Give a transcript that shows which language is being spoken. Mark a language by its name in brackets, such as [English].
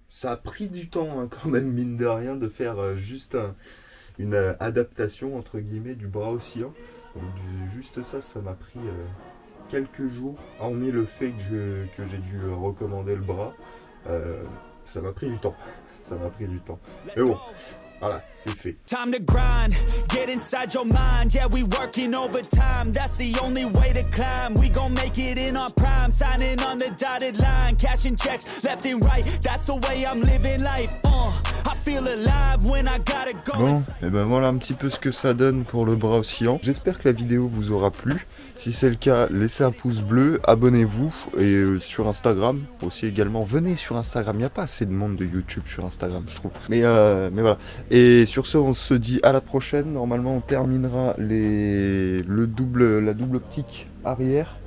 [French] Ça a pris du temps hein, quand même, mine de rien, de faire juste une adaptation, entre guillemets, du bras oscillant. Donc, juste ça, ça m'a pris quelques jours. Hormis le fait que j'ai dû recommander le bras, ça m'a pris du temps. Ça m'a pris du temps. Mais bon. Voilà, c'est fait. [English] Time to grind, get inside your mind. Yeah, we working overtime. That's the only way to climb. We gon' make it in our prime. Signing on the dotted line. Cashing checks left and right. That's the way I'm living life. I feel alive when I gotta go. [French] Bon, et ben voilà un petit peu ce que ça donne pour le bras oscillant. J'espère que la vidéo vous aura plu. Si c'est le cas, laissez un pouce bleu, abonnez-vous, et sur Instagram aussi également. Venez sur Instagram, il n'y a pas assez de monde de YouTube sur Instagram, je trouve. Mais voilà. Et sur ce, on se dit à la prochaine. Normalement, on terminera la double optique arrière.